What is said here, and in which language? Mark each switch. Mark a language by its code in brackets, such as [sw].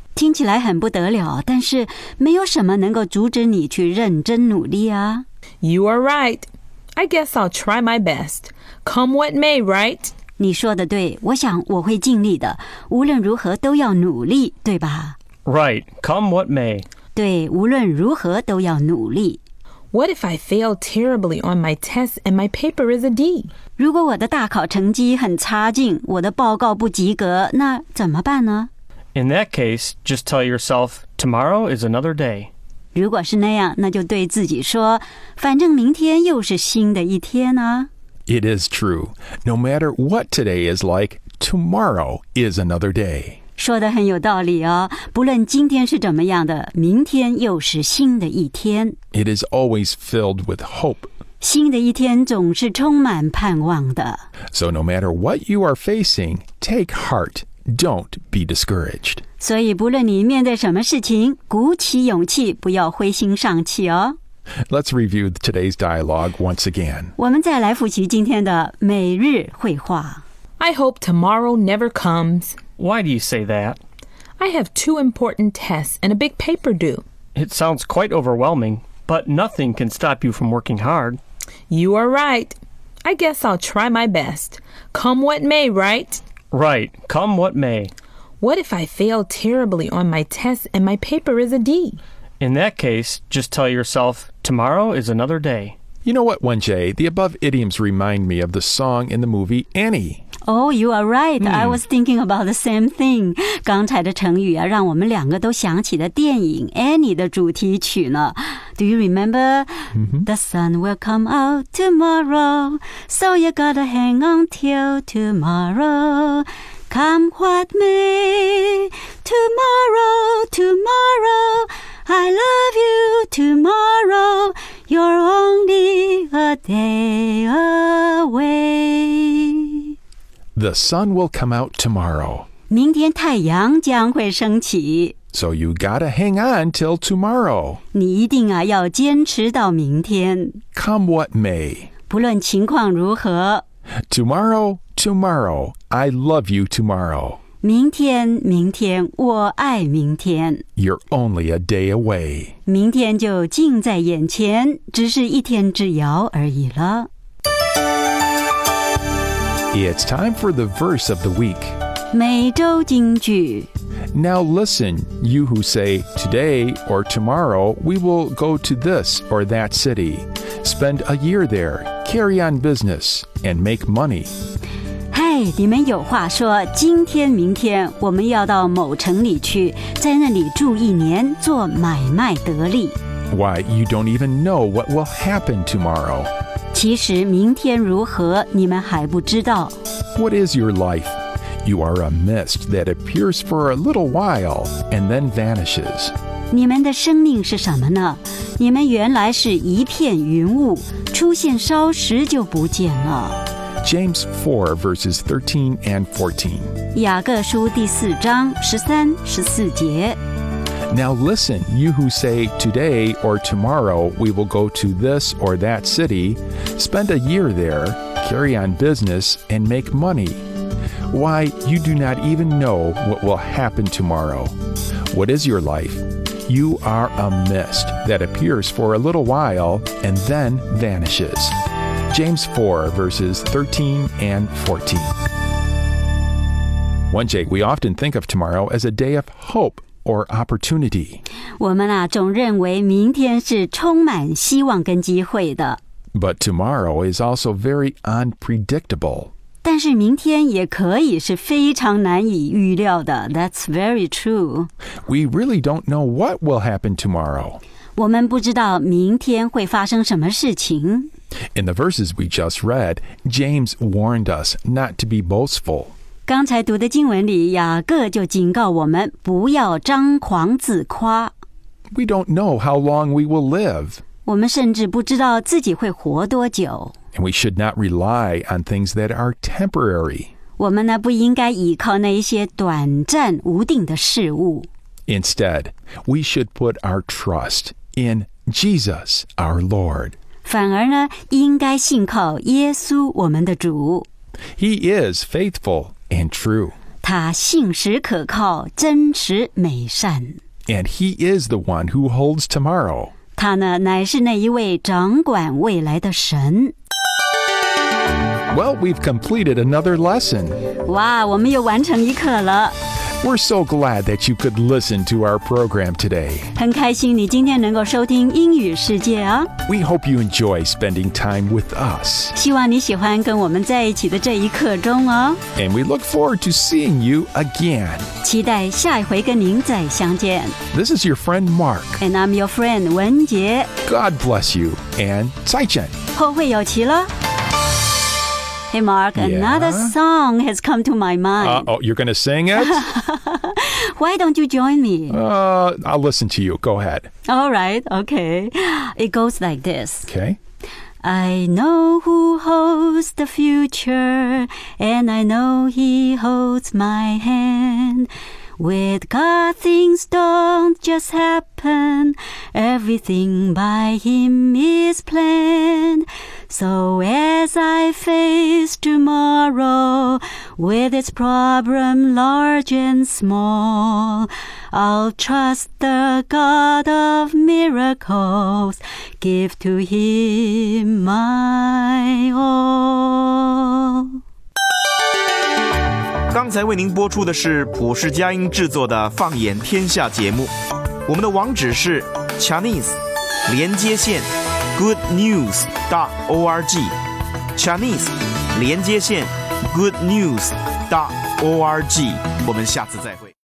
[zh] 听起来很不得了，但是没有什么能够阻止你去认真努力啊。 [en] You are right. I guess I'll try my best. Come what may, right? [zh] 你说的对，我想我会尽力的。无论如何都要努力，对吧？ [en] Right. Come what may. [zh] 对，无论如何都要努力。 [en] What if I fail terribly on my test and my paper is a D? [zh] 如果我的大考成绩很差劲，我的报告不及格，那怎么办呢？ [en] In that case, just tell yourself, tomorrow is another day. [zh] 如果是那样，那就对自己说，反正明天又是新的一天啊。 [en] It is true. No matter what today is like, tomorrow is another day. [zh] 说得很有道理哦，不论今天是怎么样的，明天又是新的一天。 [en] It is always filled with hope. [zh] 新的一天总是充满盼望的。 [en] So no matter what you are facing, take heart. Don't be discouraged. [zh] 所以不论你面对什么事情，鼓起勇气，不要灰心丧气哦。 [en] Let's review today's dialogue once again. [zh] 我们再来复习今天的每日绘画。 [en] I hope tomorrow never comes. Why do you say that? I have two important tests and a big paper due. It sounds quite overwhelming, but nothing can stop you from working hard. You are right. I guess I'll try my best. Come what may, right? Right. Come what may. What if I fail terribly on my test and my paper is a D? In that case, just tell yourself, tomorrow is another day. You know what, Wenjie? The above idioms remind me of the song in the movie Annie. Oh, you are right. I was thinking about the same thing. [zh] 刚才的成语啊，让我们两个都想起了电影 Annie 的主题曲呢。 [en] Do you remember? The sun will come out tomorrow, so you gotta hang on till tomorrow. Come what may, tomorrow, tomorrow, I love you tomorrow. You're only a day away. The sun will come out tomorrow. [zh] 明天太阳将会升起。 [en] So you gotta hang on till tomorrow. [zh] 你一定啊要坚持到明天。 [en] Come what may. [zh] 不论情况如何。 [en] Tomorrow, tomorrow, I love you tomorrow. [zh] 明天，明天，我爱明天。 [en] You're only a day away. [zh] 明天就近在眼前，只是一天之遥而已了。 [en] It's time for the verse of the week. [zh] 每周金句。 [en] Now listen, you who say, today or tomorrow, we will go to this or that city. Spend a year there, carry on business, and make money. [zh] Hey, 你们有话说，今天明天我们要到某城里去，在那里住一年，做买卖得利。 [en] Why, you don't even know what will happen tomorrow. [zh] 其实明天如何，你们还不知道。 [en] What is your life? You are a mist that appears for a little while and then vanishes. [zh] 你们的生命是什么呢？你们原来是一片云雾，出现稍时就不见了。 [en] James 4 verses 13 and 14. [zh] 雅各书第四章十三十四节。 [en] Now listen, you who say, today or tomorrow we will go to this or that city, spend a year there, carry on business, and make money. Why, you do not even know what will happen tomorrow. What is your life? You are a mist that appears for a little while and then vanishes. James 4 verses 13 and 14. One, Jake, we often think of tomorrow as a day of hope. Or opportunity. [zh] 我们啊，总认为明天是充满希望跟机会的。 [en] But tomorrow is also very unpredictable. [zh] 但是明天也可以是非常难以预料的。 [en] That's very true. We really don't know what will happen tomorrow. [zh] 我们不知道明天会发生什么事情。 [en] In the verses we just read, James warned us not to be boastful. [zh] 刚才读的经文里，雅各就警告我们不要张狂自夸。 [en] We don't know how long we will live. [zh] 我们甚至不知道自己会活多久。 [en] And we should not rely on things that are temporary. [zh] 我们呢，不应该依靠那一些短暂无定的事物。 [en] Instead, we should put our trust in Jesus, our Lord. [zh] 反而呢，应该信靠耶稣，我们的主。 [en] He is faithful. And true. [zh] 他信实可靠，真实美善。 [en] And he is the one who holds tomorrow. [zh] 他呢，乃是那一位掌管未来的神。 [en] Well, we've completed another lesson. [zh] 哇，我们又完成一课了。 [en] We're so glad that you could listen to our program today. [zh] 很开心你今天能够收听英语世界啊。 [en] We hope you enjoy spending time with us. [zh] 希望你喜欢跟我们在一起的这一刻钟哦。 [en] And we look forward to seeing you again. [zh] 期待下一回跟您再相见。 [en] This is your friend Mark. And I'm your friend 文杰。 God bless you and [zh] 再见。后会有期了。 [en] Hey, Mark, another yeah? song has come to my mind. Uh-oh, you're going to sing it? Why don't you join me? I'll listen to you. Go ahead. All right, okay. It goes like this. Okay. I know who holds the future, and I know he holds my hand. With God, things don't just happen. Everything by him is planned. So as I face tomorrow with its problem large and small, I'll trust the God of miracles, give to him my all. [zh] 刚才为您播出的是普世佳音制作的放眼天下节目，我们的网址是 Chinese 连接线goodnews.org Chinese 连接线 goodnews.org 我们下次再会。